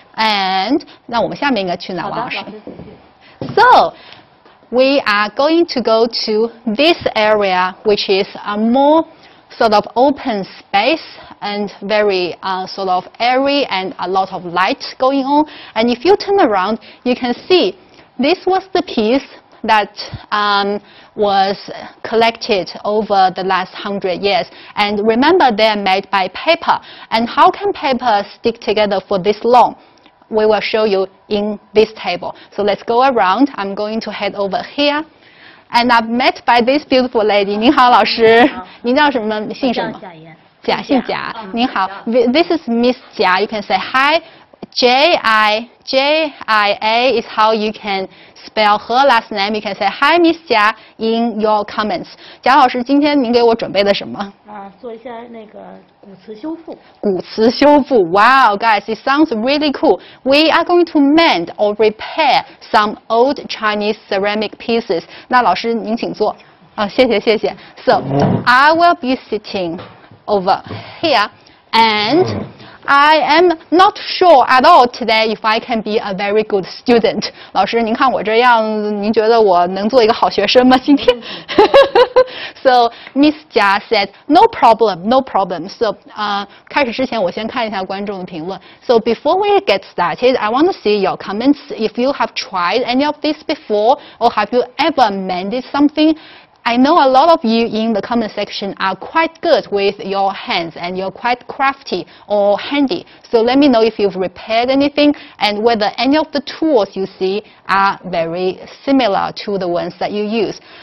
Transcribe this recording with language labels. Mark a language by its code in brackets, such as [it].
[zh] And 那我们下面应该去哪，王老师？ [en] So, we are going to go to this area, which is a more sort of open space and very sort of airy and a lot of light going on. And if you turn around, you can see this was the piece that was collected over the last 100 years. And remember, they are made by paper. And how can paper stick together for this long? We will show you in this table. So let's go around. I'm going to head over here. And I'm met by this beautiful lady. [zh] 您好，老师。您叫什么？姓什么？贾燕。贾，姓贾。您好。 [en] This is Miss 贾。You can say hi. J-I-J-I-A is how you can spell her last name. You can say hi, Miss 贾 in your comments. [zh] 贾老师，今天您给我准备的什么？做一下那个古瓷修复。古瓷修复。 [en] Wow, guys, it sounds really cool. We are going to mend or repair some old Chinese ceramic pieces. [zh] 那老师您请坐。谢谢谢谢。 [en] So, I will be sitting over here and I am not sure at all today if I can be a very good student. [zh] 老师，您看我这样子，您觉得我能做一个好学生吗？今天。 [en] So Miss Jia said, "No problem, no problem." [zh] So, 开始之前，我先看一下观众的评论。 [en] So before we get started, I want to see your comments. If you have tried any of this before, or have you ever mended something? I know a lot of you in the comment section are quite good with your hands and you're quite crafty or handy. So let me know if you've repaired anything and whether any of the tools you see are very similar to the ones that you use.